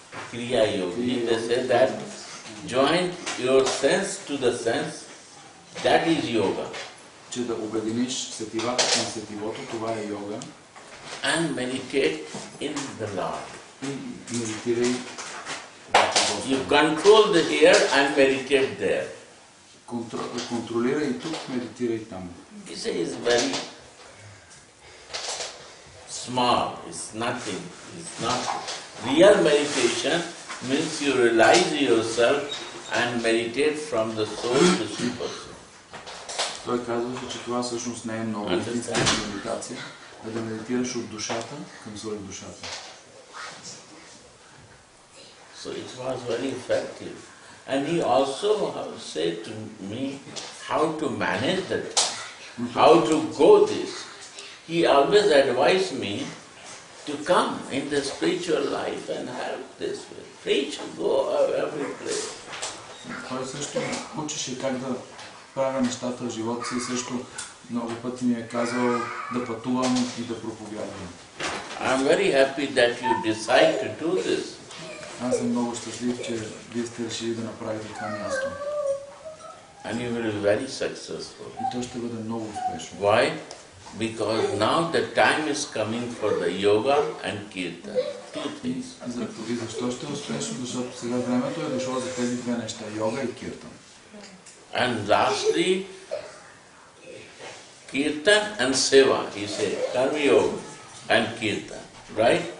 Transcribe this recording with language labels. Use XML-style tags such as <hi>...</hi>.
<en>Kriya yogi, they said that join your sense to the sense, that is yoga.</en> <bg>Че да обединиш сетивата към сетивото, това е йога.</bg> <en>And meditate in the Lord.</en> <bg>И медитирай.</bg> <en>You control the here and meditate there.</en> <bg>Контролирай тук, медитирай там.</bg> <en>This is very small, it's nothing, it's not. Real meditation means you realize yourself and meditate from the soul to super soul.</en> <bg>Той казваше, че това всъщност не е много истинска медитация, а да медитираш от душата към своя душата.</bg> <en>So it was very effective. And he also said to me how to manage that, how to go this. He always advised me to come in the spiritual life and help this way. Preach, go every place.</en> <bg>Той също учеше как да правя нещата в живота си, също много пъти ми е казал да пътувам и да проповядвам.</bg> <en>I'm very happy that you decide to do this.</en> <bg>Аз съм много щастлив, че вие сте решили да направите това място.</bg> <en>And you will be very successful.</en> <bg>И то ще бъде много успешно.</bg> <en>Why? Because now the time is coming for the yoga and kirtan. Two things.</en> <bg>И защо ще е успешно? Защото сега времето е дошло за тези две неща, йога и киртан.</bg> <en>And lastly, kirtan and seva, he said, karma yoga and kirtan, right?</en>